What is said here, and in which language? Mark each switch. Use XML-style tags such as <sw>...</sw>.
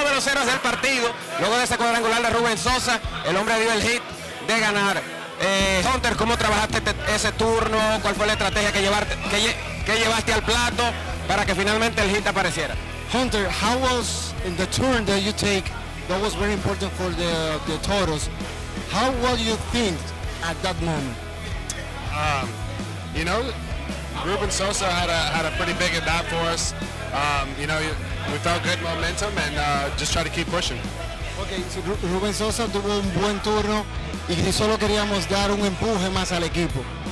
<es>horas del partido, luego de ese cuadrangular de Rubén Sosa, el hombre dio el hit de ganar. Hunter, ¿cómo trabajaste ese turno? ¿Cuál fue la estrategia que llevaste al plato para que finalmente el hit apareciera?</es> <en>Hunter, how was in the turn that you take that was very important for the Toros? How well you think at that moment? You know, Ruben Sosa had a pretty big at bat for us. You know, we felt good momentum and just try to keep pushing.</en> <es>Okay, so Ruben Sosa tuvo un buen turno y solo queríamos dar un empuje más al equipo.</es>